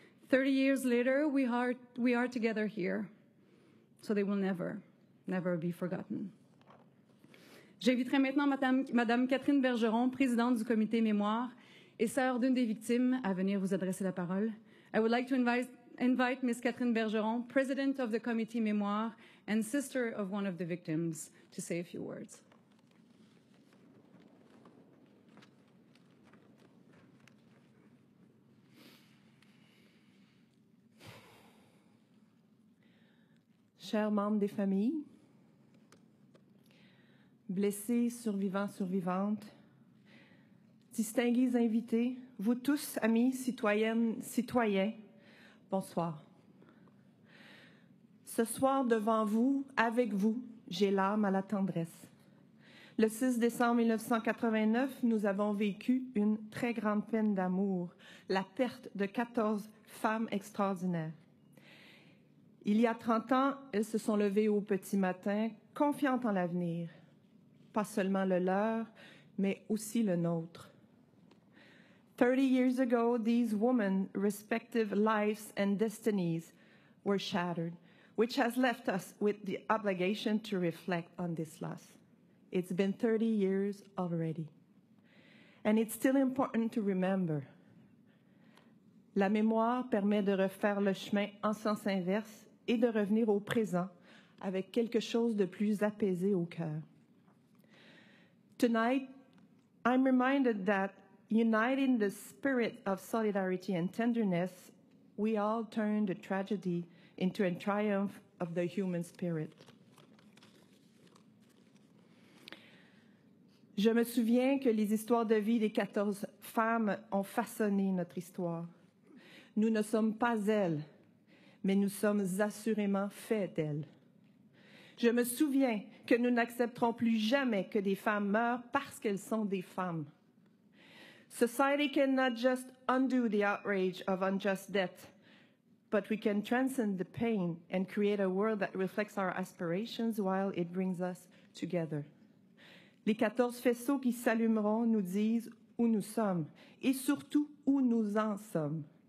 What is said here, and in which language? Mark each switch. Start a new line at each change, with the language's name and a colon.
English: 30 years later, we are together here, so they will never be forgotten.
French: J'inviterai maintenant Madame Catherine Bergeron, présidente du comité mémoire et sœur d'une des victimes, à venir vous adresser la parole.
English: I would like to invite Ms. Catherine Bergeron, president of the committee mémoire and sister of one of the victims, to say a few words.
French: Chers membres des familles, blessés, survivants, survivantes, distingués invités, vous tous, amis, citoyennes, citoyens, bonsoir. Ce soir, devant vous, avec vous, j'ai l'âme à la tendresse. Le 6 décembre 1989, nous avons vécu une très grande peine d'amour, la perte de 14 femmes extraordinaires. Il y a 30 ans, elles se sont levées au petit matin, confiantes en l'avenir, pas seulement le leur, mais aussi le nôtre.
English: 30 years ago, these women's respective lives and destinies were shattered, which has left us with the obligation to reflect on this loss. It's been 30 years already. And it's still important to remember.
French: La mémoire permet de refaire le chemin en sens inverse et de revenir au présent avec quelque chose de plus apaisé au cœur.
English: Tonight, I'm reminded that uniting the spirit of solidarity and tenderness, we all turned a tragedy into a triumph of the human spirit.
French: Je me souviens que les histoires de vie des 14 femmes ont façonné notre histoire. Nous ne sommes pas elles, mais nous sommes assurément faits d'elles. Je me souviens que nous n'accepterons plus jamais que des femmes meurent parce qu'elles sont des femmes.
English: Society cannot just undo the outrage of unjust death, but we can transcend the pain and create a world that reflects our aspirations while it brings us together.
French: Les 14 faisceaux qui s'allumeront nous disent où nous sommes et surtout où nous en sommes.